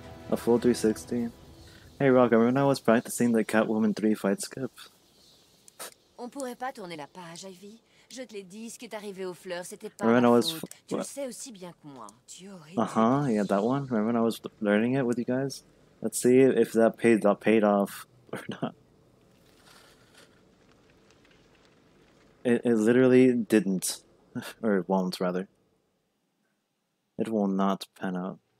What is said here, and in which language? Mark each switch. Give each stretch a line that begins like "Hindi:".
English: A full 360. Hey, Rock, remember when I was practicing the Catwoman 3 fight skip?
French: On pourrait pas tourner la page, Ivy. Je te l'ai dit, ce qui est arrivé aux fleurs, c'était pas ma faute. Tu le sais aussi bien que moi. Tu aurais.
English: Yeah, that one. Remember when I was learning it with you guys? Let's see if that paid off or not. It literally didn't, or it won't rather. It will not pan out.